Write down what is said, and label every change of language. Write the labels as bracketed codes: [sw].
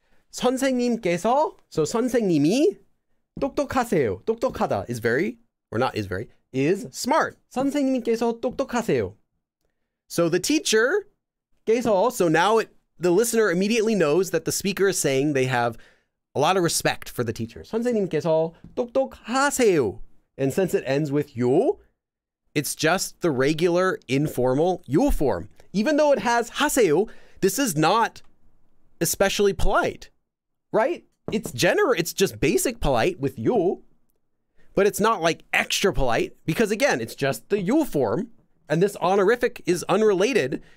[ko] So 선생님이 똑똑하세요. 똑똑하다 [en] is very, or not is very, is smart. [ko] 선생님께서 똑똑하세요. [en] So the teacher, [ko] 께서, [en] so now the listener immediately knows that the speaker is saying they have a lot of respect for the teacher. [ko] 선생님께서 똑똑하세요. [en] And since it ends with 요, it's just the regular informal 요 form. Even though it has 하세요, this is not especially polite. Right? It's just basic polite with 요, but it's not like extra polite because again, it's just the 요 form and this honorific is unrelated.